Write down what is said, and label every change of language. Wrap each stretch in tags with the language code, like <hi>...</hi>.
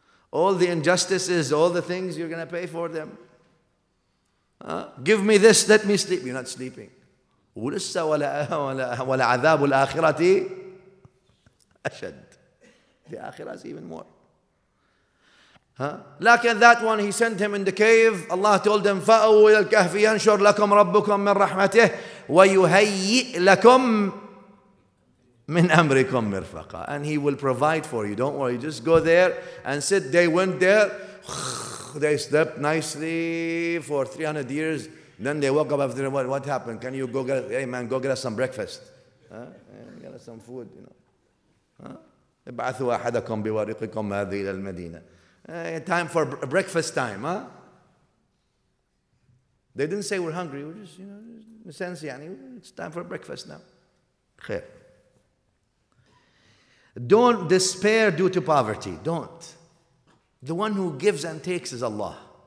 <en>All the injustices, all the things, you're going to pay for them. Huh? Give me this, let me sleep. You're not sleeping.</en> <ar>وَلِسَّ وَلَا عَذَابُ الْآخِرَةِ أَشَدْ.</ar> <en>The akhirah is even more. Huh?</en> <ar>لكن</ar> <en>that one, he sent him in the cave. Allah told him,</en> <ar>فَأَوُوا إِلَى الْكَهْفِ يَنْشُرْ لَكُمْ رَبُّكُمْ مِنْ رَحْمَتِهِ وَيُهَيِّئْ لَكُمْ مِنْ أَمْرِكُمْ مِرْفَقًا.</ar> <en>And he will provide for you. Don't worry, just go there and sit. They went there. They slept nicely for 300 years. Then they woke up after, what happened? Can you go get, hey man, go get us some breakfast. Get us some food, you know.</en> <ar>ابعثوا أحدكم بورقكم هذه إلى المدينة.</ar> <en>Time for breakfast time, huh? They didn't say we're hungry. We're just, you know, in a sense,</en> <ar>يعني,</ar> <en>it's time for breakfast now.</en> <ar>خير.</ar> <en>Don't despair due to poverty. Don't. The one who gives and takes is Allah.</en>